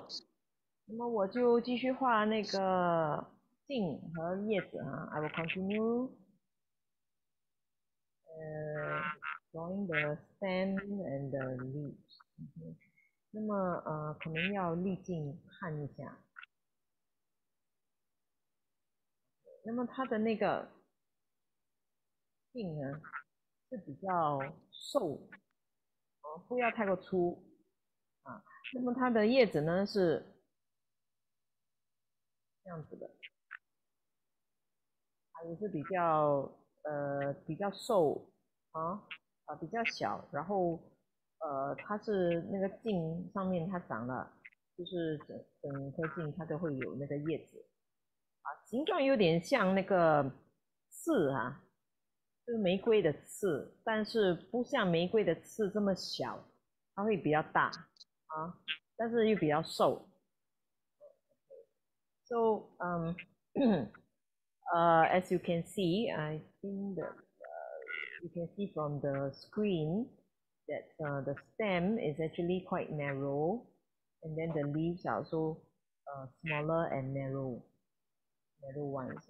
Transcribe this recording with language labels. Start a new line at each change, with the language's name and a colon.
Chinese: 好，那么我就继续画那个茎和叶子啊。
English: I will continue drawing the stem and the leaves.
Chinese: 那么可能要立镜看一下。那么它的那个茎呢？是比较瘦，不要太过粗，那么它的叶子呢是这样子的，它也是比较瘦，比较小，然后它是那个茎上面它长了，就是整颗茎它都会有那个叶子，啊，形状有点像那个刺啊，就是玫瑰的刺，但是不像玫瑰的刺这么小，它会比较大啊，但是又比较瘦。
English: So, as you can see, I think that you can see from the screen that the stem is actually quite narrow, and then the leaves are also smaller and narrow ones.